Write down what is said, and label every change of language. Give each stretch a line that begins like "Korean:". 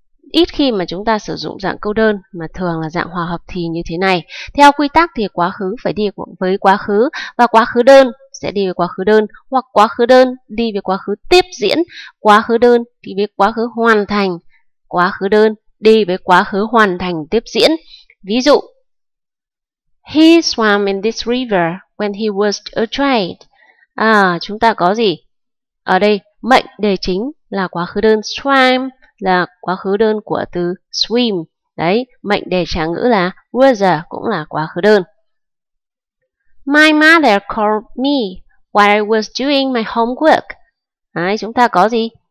Vietnamese: Ít khi mà chúng ta sử dụng dạng câu đơn mà thường là dạng hòa hợp thì như thế này. Theo quy tắc thì quá khứ phải đi với quá khứ và quá khứ đơn sẽ đi với quá khứ đơn hoặc quá khứ đơn đi với quá khứ tiếp diễn, quá khứ đơn đi với quá khứ hoàn thành, quá khứ đơn đi với quá khứ hoàn thành tiếp diễn. Ví dụ,
English: he swam in this river when he was a child.
Vietnamese: Chúng ta có gì? Ở đây, mệnh đề chính là quá khứ đơn swam, là quá khứ đơn của từ swim. Đấy, mệnh đề trạng ngữ là was cũng là quá khứ đơn.
English: My mother called me while I was doing my homework.
Vietnamese: Đấy, chúng ta có gì?